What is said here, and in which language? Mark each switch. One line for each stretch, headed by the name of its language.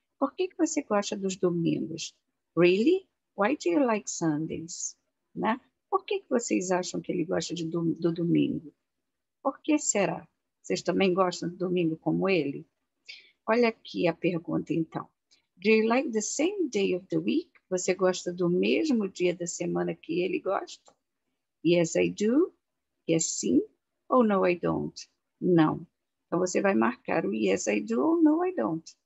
Portuguese: Por que que você gosta dos domingos?
English: Really? Why do you like Sundays?
Portuguese: Né? Por que que vocês acham que ele gosta do domingo? Por que será? Vocês também gostam do domingo como ele? Olha aqui a pergunta, então.
English: Do you like the same day of the week?
Portuguese: Você gosta do mesmo dia da semana que ele gosta?
English: Yes, I do. Yes,
Portuguese: sim.
English: Ou no, I don't.
Portuguese: Não. Então, você vai marcar o
English: yes, I do
Portuguese: ou
English: no, I don't.